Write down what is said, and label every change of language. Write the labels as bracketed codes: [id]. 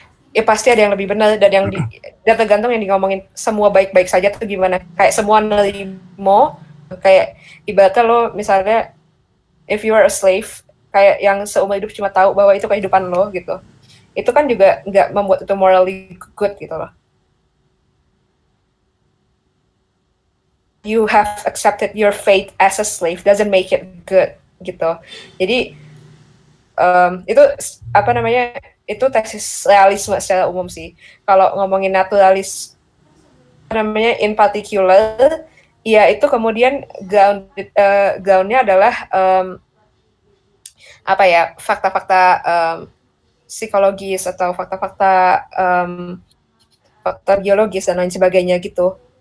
[id] Ya pasti ada yang lebih benar dan yang dan tergantung yang diomongin semua baik-baik saja tuh gimana? Kayak semua nerimo, kayak ibaratnya lo misalnya [en] if you are a slave, [id] kayak yang seumur hidup cuma tahu bahwa itu kehidupan lo gitu. Itu kan juga nggak membuat itu morally good gitu loh. [en] You have accepted your fate as a slave doesn't make it good gitu. [id] Jadi itu apa namanya, itu tesis realisme secara umum sih. Kalau ngomongin naturalis apa namanya [en] in particular, [id] ya itu kemudian groundnya adalah apa ya, fakta-fakta psikologis atau fakta-fakta fakta biologis dan lain sebagainya gitu.